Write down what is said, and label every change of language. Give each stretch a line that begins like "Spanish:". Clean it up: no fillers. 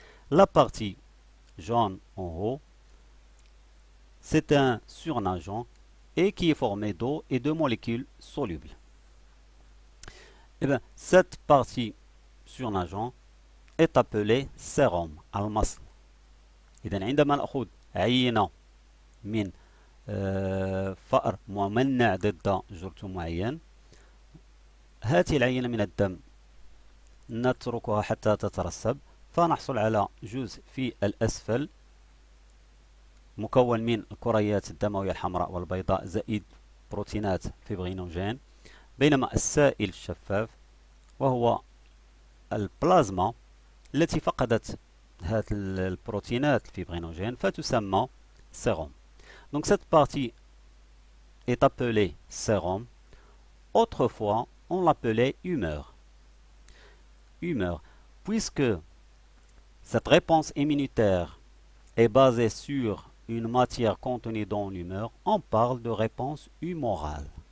French: La partie jaune en haut, c'est un surnageant et qui est formé d'eau et de molécules solubles. Et bien, cette partie surnageant est appelée sérum, almas. Et bien,
Arabic: عندما نأخذ عينة من فأر ممنع ضد جرثومة معين هذه العينة من الدم نتركها حتى تترسب فنحصل على جزء في الأسفل مكون من الكريات الدموية الحمراء والبيضاء زائد بروتينات فيبرينوجين بينما السائل الشفاف وهو البلازما التي فقدت هذه البروتينات الفيبرينوجين فتسمى سيروم.
French: Donc cette partie est appelée sérum. Autrefois, on l'appelait humeur. Humeur, puisque cette réponse immunitaire est basée sur une matière contenue dans l'humeur, on parle de réponse humorale.